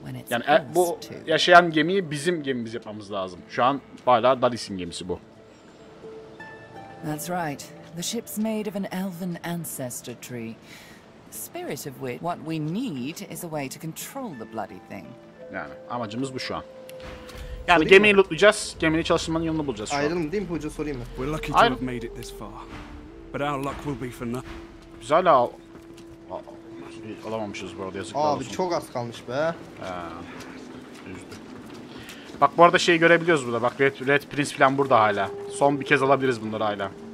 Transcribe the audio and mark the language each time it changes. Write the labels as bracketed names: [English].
[Turkish] Yani bu yaşayan gemiyi bizim gemimiz yapmamız lazım. Şu an hala Dalis'in gemisi bu. [English] That's right. The ship's made of an elven ancestor tree. Spirit of which, what we need is a way to control the bloody thing. [Turkish] Yani amacımız bu şu an. Yani sorayım gemiyi lootlayacağız, geminin çalışmanın yolunu bulacağız. Ayrılım değil mi hoca, sorayım mı? [English] We're lucky to have made it this far. But our luck will be for nothing. [Turkish] Biz hala alamamışız bu arada, yazıklar abi, olsun. Abi çok az kalmış be. Bak bu arada şeyi görebiliyoruz burada. Bak Red Prince falan burada hala. Son bir kez alabiliriz bunları hala.